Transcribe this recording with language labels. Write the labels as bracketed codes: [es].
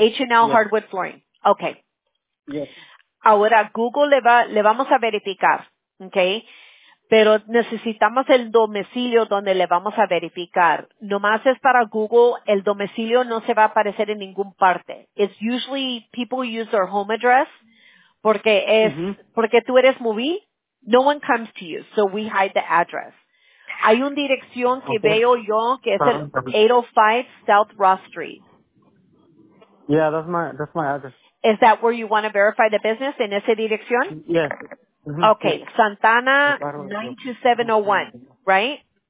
[en] H&L, yes. Hardwood flooring. Okay. Yes. [es] Ahora, Google le vamos a verificar. Okay. Pero necesitamos el domicilio donde le vamos a verificar. Nomás es para Google, el domicilio no se va a aparecer en ningún parte. [en] It's usually people use their home address [es] porque es, porque tú eres [en] movie, no one comes to you, so we hide the address. [es] Hay una dirección que veo yo que es el 805 South Ross Street. [en] Yeah, that's my address. Is that where you want to verify the business, [es] en esa dirección? [en] Yes. Okay, Santana 92701, right?